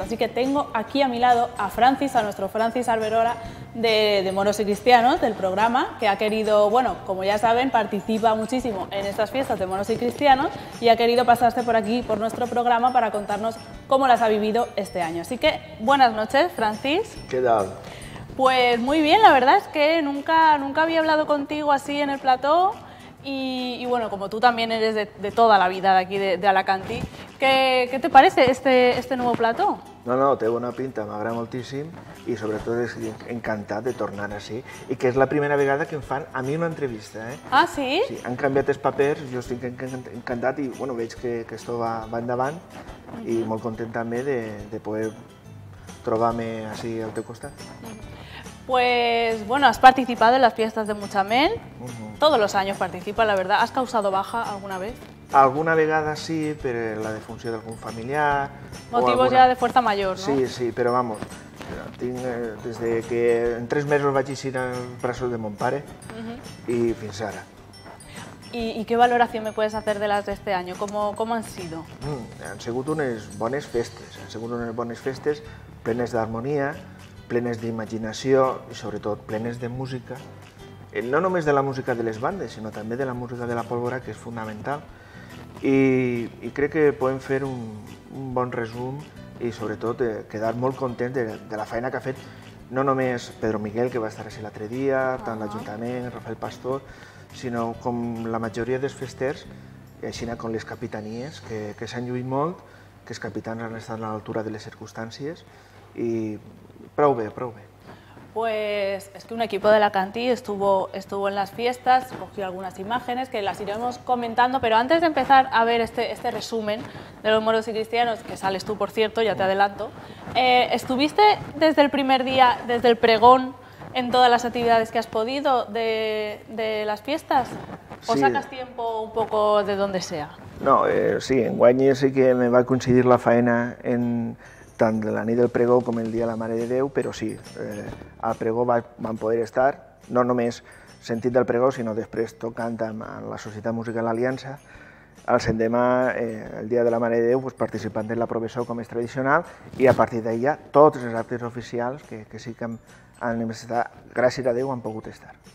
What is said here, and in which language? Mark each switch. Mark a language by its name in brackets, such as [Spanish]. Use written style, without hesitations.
[Spanish] Así que tengo aquí a mi lado a Francis, a nuestro Francis Alberola de Moros y Cristianos, del programa, que ha querido, bueno, como ya saben, participa muchísimo en estas fiestas de Moros y Cristianos y ha querido pasarse por aquí, por nuestro programa, para contarnos cómo las ha vivido este año. Así que, buenas noches, Francis. ¿Qué tal? Pues muy bien, la verdad es que nunca había hablado contigo así en el plató y bueno, como tú también eres de toda la vida de aquí, de Alacantí, ¿qué te parece este nuevo plató? [Catalan] No, té bona pinta, m'agrada moltíssim i sobretot estic encantat de tornar així i que és la primera vegada que em fan a mi una entrevista. Ah, sí? Sí, han canviat els papers, jo estic encantat i bueno, veig que això va endavant i molt content també de poder trobar-me així al teu costat. [Spanish] Pues bueno, has participado en las fiestas de Muchamel, todos los años participa, la verdad. ¿Has causado baja alguna vez? [Catalan] Alguna vegada sí, [Spanish] pero la defunción de algún familiar... Motivos alguna... ya de fuerza mayor, ¿no? [Catalan] Sí, sí, [Spanish] pero vamos, desde que en 3 meses [Catalan] vaig aixir al braç de mon pare y fins ara. [Spanish] ¿Y qué valoración me puedes hacer de las de este año? ¿Cómo han sido? [Catalan] Han sigut unes bones festes, plenes d'harmonia, plenes d'imaginació i, sobretot, plenes de música. No només de la música de les bandes, sinó també de la música de la pólvora, que és fonamental. I crec que podem fer un bon resum i, sobretot, quedar molt content de la feina que ha fet no només Pedro Miguel, que va estar així l'altre dia, tant l'Ajuntament, Rafael Pastor, sinó com la majoria dels festers, així com les capitanies, que s'han lluit molt, que els capitans han estat a l'altura de les circumstàncies, i... Prou bé, prou bé. [Spanish] Pues es que un equipo de Alacantí estuvo en las fiestas, cogió algunas imágenes que las iremos comentando, pero antes de empezar a ver este resumen de los Moros y Cristianos, que sales tú, por cierto, ya te adelanto, ¿estuviste desde el primer día, desde el pregón, en todas las actividades que has podido de las fiestas? ¿O sí. Sacas tiempo un poco de donde sea? [Catalan] No, sí, en guany sí que me va a coincidir la faena en... tant la nit del pregó com el dia de la Mare de Déu, però sí, al pregó vam poder estar, no només sentit del pregó, sinó després tocant amb la Societat Musical l'Aliança, el sendemà, el dia de la Mare de Déu, participant en la professó com és tradicional, i a partir d'allà tots els actes oficials que sí que han estat, gràcies a Déu, han pogut estar.